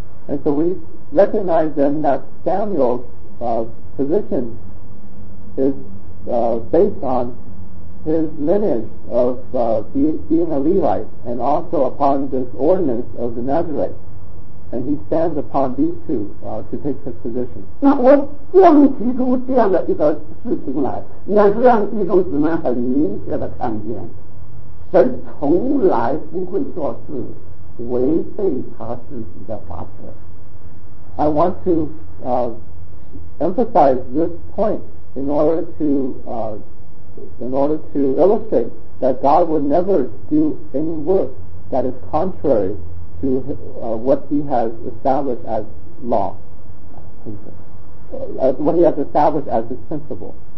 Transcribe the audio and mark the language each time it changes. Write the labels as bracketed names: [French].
[English] And so we recognize then that Samuel's position is based on his lineage of being a Levite and also upon this ordinance of the Nazarite. And he stands upon these two to take his position. [Chinese] 那我要提出这样的一个事情来，也是让弟兄姊妹很明确的看见，神从来不会做事违背他自己的法则。 [English] I want to emphasize this point in order to illustrate that God would never do any work that is contrary to what he has established as law, what he has established as his principle.